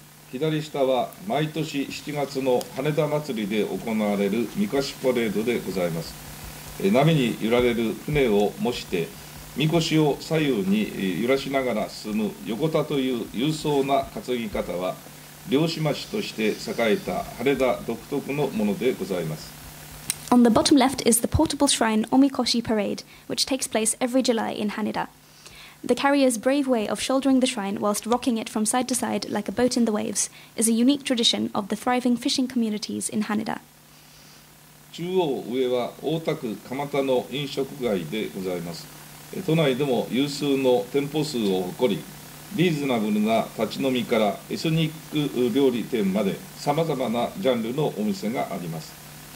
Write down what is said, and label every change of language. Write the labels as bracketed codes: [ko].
[ja] 左下は毎年7月の羽田祭りで行われる神輿パレードでございます。波に揺られる船を模して、神輿を左右に揺らしながら進む横田という勇壮な担ぎ方は、漁師町として栄えた羽田独特のものでございます。 [en] On the bottom left is the portable shrine Omikoshi Parade, which takes place every July in Haneda. The carrier's brave way of shouldering the shrine whilst rocking it from side to side like a boat in the waves is a unique tradition of the thriving fishing communities in Haneda. [ja] 中央上は大田区蒲田の飲食街でございます。都内でも有数の店舗数を誇り、リーズナブルな立ち飲みからエスニック料理店まで様々なジャンルのお店があります。